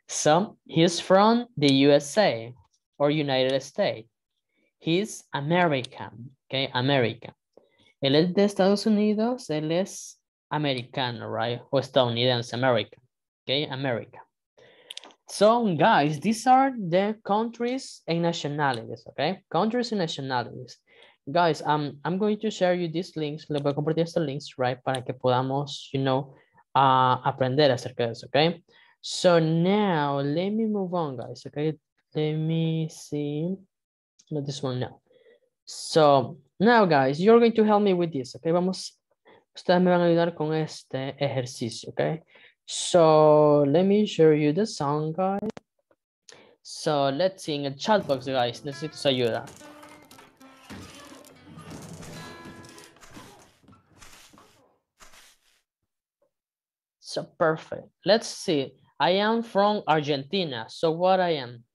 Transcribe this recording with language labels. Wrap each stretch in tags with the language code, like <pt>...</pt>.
<en>So, he's from the USA or United States. He's American, okay, American.</en> <es>Él es de Estados Unidos, él es americano, right? O estadounidense, American. Okay, America.</es> <en>So, guys, these are the countries and nationalities, okay? Countries and nationalities. Guys, I'm going to share you these links.</en> <es>Les voy a compartir estos links, right? Para que podamos, you know, aprender acerca de eso, okay?</es> <en>So, now, let me move on, guys, okay? Let me see. Not this one, no. So, now, guys, you're going to help me with this, okay?</en> <es>Vamos, ustedes me van a ayudar con este ejercicio, okay?</es> <en>So, let me show you the song, guys. So, let's see in the chat box, guys.</en> <es>Necesito su ayuda.</es> <en>So, perfect. Let's see. I am from Argentina. So, what I am?</en>